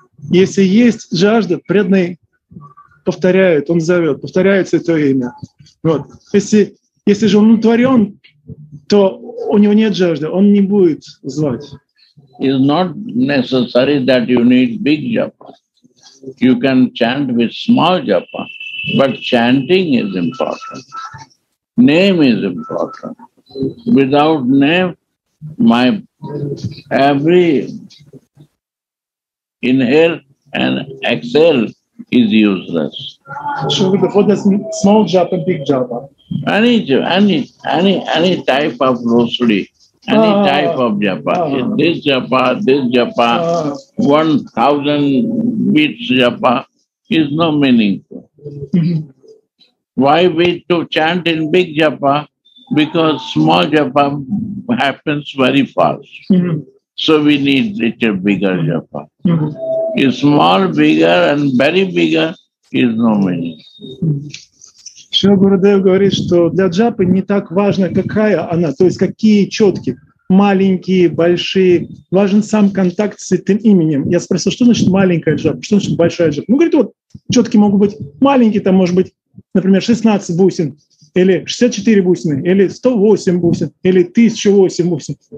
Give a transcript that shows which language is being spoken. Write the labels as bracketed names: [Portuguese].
[Russian] Если есть жажда, преданный повторяет, он зовет, повторяется это имя. Вот. Если же он удовлетворен, то у него нет жажды, он не будет звать. [English] It's not necessary that you need big japa. You can chant with small japa, but chanting is important. Name is important. Without name, my every inhale and exhale is useless. Sure, what does small japa, big japa? Any type of rosary. Any type of japa, this japa, this japa, 1,000 beats japa is no meaningful. Mm-hmm. Why we to chant in big japa? Because small japa happens very fast. Mm-hmm. So we need little bigger japa. Mm-hmm. If small, bigger and very bigger is no meaningful. Mm-hmm. [Russian] Шрила Гурудев говорит, что для джапы не так важно, какая она, то есть какие четки, маленькие, большие, важен сам контакт с этим именем. Я спросил, что значит маленькая джапа, что значит большая джапа. Ну, говорит, вот четки могут быть маленькие, там может быть, например, 16 бусин, или 64 бусины, или 108 бусин, или 1008 бусин.